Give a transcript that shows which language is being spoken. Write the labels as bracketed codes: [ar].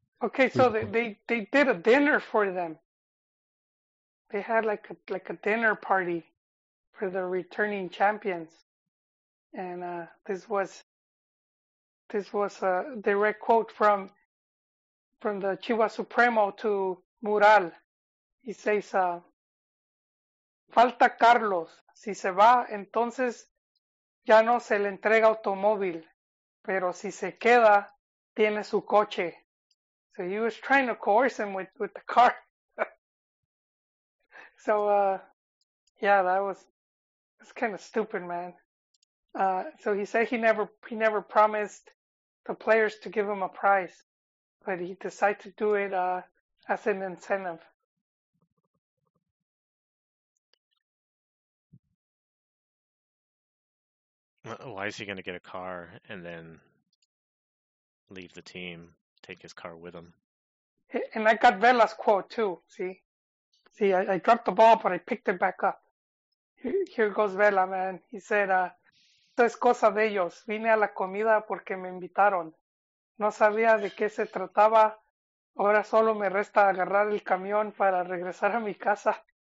[en] Okay, so they did a dinner for them. They had like a dinner party for the returning champions. And this was a direct quote from the Chivas Supremo to Mural. He says, [es] falta Carlos. Si se va, entonces ya no se le entrega automóvil. Pero si se queda, tiene su coche. [en] So he was trying to coerce him with the car. So, yeah, that's kind of stupid, man. So he said he never promised the players to give him a prize, but he decided to do it as an incentive. Why is he going to get a car and then leave the team, take his car with him? And I got Vela's quote, too, see? See, I dropped the ball, but I picked it back up. Here goes Vela, man. He said, [es] esto es cosa de ellos. Vine a la comida porque me invitaron. No sabía de qué se trataba. Ahora solo me resta agarrar el camión para regresar a mi casa.